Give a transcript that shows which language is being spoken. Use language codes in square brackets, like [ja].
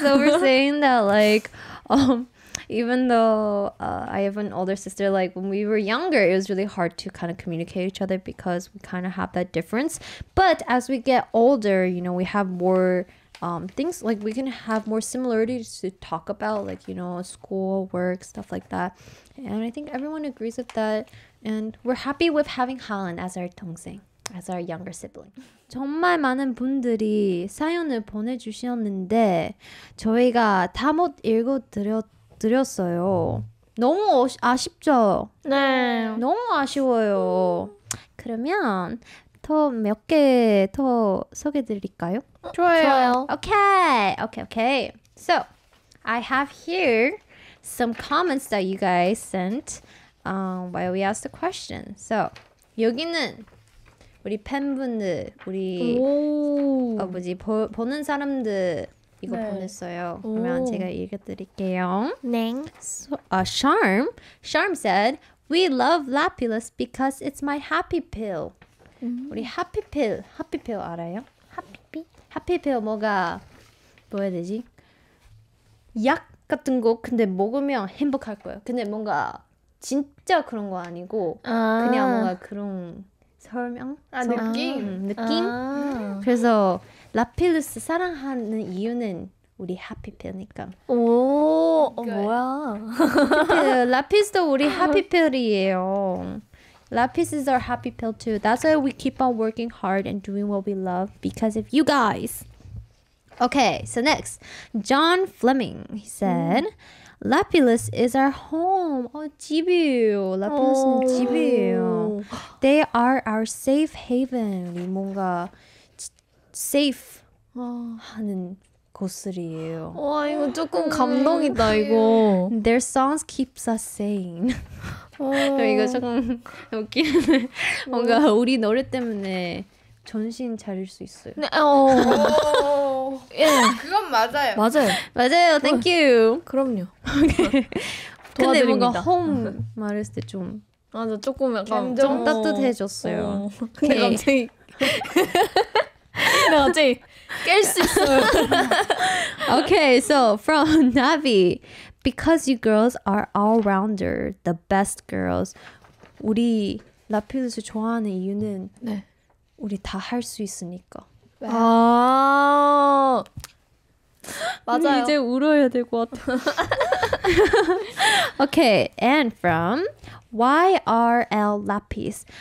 [en] So we're saying that like even though I have an older sister, like when we were younger, it was really hard to kind of communicate each other because we kind of have that difference. But as we get older, you know, we have more things, like we can have more similarities to talk about, like, you know, school, work, stuff like that. And I think everyone agrees with that. And we're happy with having Han as our 동생. as our younger sibling. [ko] 정말 많은 분들이 사연을 보내주셨는데 저희가 다 못 읽어드렸어요. 너무 아쉽죠? 네. 너무 아쉬워요. 그러면 더 몇 개 더 소개드릴까요? 좋아요. 좋아요. [en] Okay. Okay. Okay. So I have here some comments that you guys sent while we asked the question. [ko] So 여기는 우리 팬분들, 우리 보는 사람들 이거 네. 보냈어요. 그러면 오. 제가 읽어드릴게요. 네. [en] So, Charm. Charm said, "We love Lapilas because it's my happy pill." [ko] 우리 happy pill, happy pill 알아요? [en] Happy [ko] pill 뭐가 뭐야 되지? 약 같은 거 근데 먹으면 행복할 거예요. 근데 뭔가 진짜 그런 거 아니고 아. 그냥 뭔가 그런 설명? 아 느낌? 느낌? 아. 그래서 라필루스 사랑하는 이유는 우리 하피필이니까. 오, 뭐야? 라필루스도 우리 하피필이에요. [en] Lapis is our happy pill too. That's why we keep on working hard and doing what we love because of you guys. Okay, so next. John Fleming, he said, Lapis is our home. [ko] Oh, 집이에요. Lapis는 집이에요. [en] They are our safe haven. [ko] 우리 뭔가 safe 하는 곳이에요. 와, 이거 조금 감동이다, 이거. [en] Their songs keeps us sane. [ko] 이거 조금 웃기는데 뭔가 우리 노래 때문에 전신 차릴 수 있어요. 네, 어. 예, 그건 맞아요. 맞아요. 맞아요. [en] Thank you. [ko] 그럼요. 근데 뭔가 home 말할 때 좀 맞아 조금 약간 좀 따뜻해졌어요. 근데 갑자기 나 어제 깰 수 있어요. [en] Okay, so from Navi. Because you girls are all-rounder, the best girls. [ko] 우리 라필루스 좋아하는 이유는 네. 우리 다 할 수 있으니까. 아 맞아요. 이제 울어야 될 것 같아. [en] Okay, and from YRL Lapis.